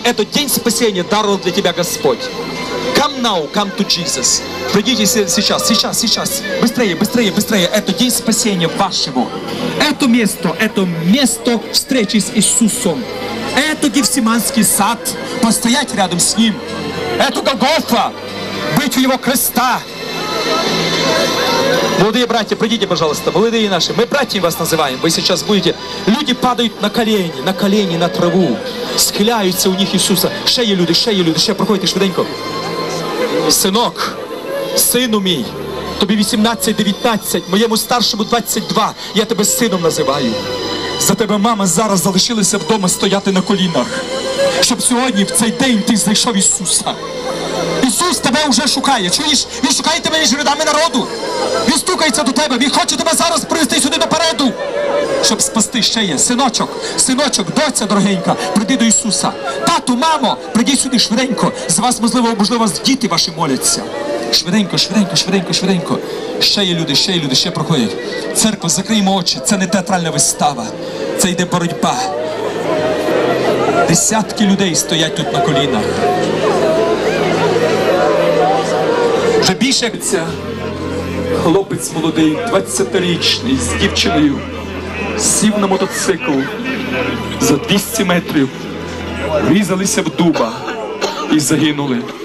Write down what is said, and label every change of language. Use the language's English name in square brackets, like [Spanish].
[Ukrainian] Це день спасіння дарував для тебе Господь. [English] Come now, come to Jesus. [Ukrainian] Прийдіть [Russian] сейчас, сейчас, сейчас. Быстрее, быстрее, быстрее. Это день спасения вашего. Это место встречи с Иисусом. Это Гефсиманский сад. Постоять рядом с Ним. Это Голгофа. Быть у Его креста. Молодые братья, пройдите, пожалуйста. Молодые наши, мы братья вас называем. Вы сейчас будете. Люди падают на колени, на траву. Схиляются у них Иисуса. [Ukrainian] Ще є люди, ще проходите швиденько. Синок, сину мій, тобі 18-19, моєму старшому 22, я тебе сином називаю. За тебе мама зараз залишилася вдома стояти на колінах, щоб сьогодні, в цей день, ти знайшов Ісуса. Ісус тебе вже шукає, чуєш? Він шукає тебе між рядами народу. Він стукається до тебе, він хоче тебе зараз привести сюди допереду, щоб спасти. Ще є. Синочок, синочок, доця дорогенька, прийди до Ісуса. Тату, мамо, прийди сюди швиденько. За вас, можливо, діти ваші моляться. Швиденько, швиденько, швиденько, швиденько. Ще є люди, ще проходять. Церква, закриємо очі, це не театральна вистава, це йде боротьба. Десятки людей стоять тут на колінах. Вже більше як ця, хлопець молодий, 20-річний, з дівчиною, сів на мотоцикл, за 200 метрів врізалися в дуба і загинули.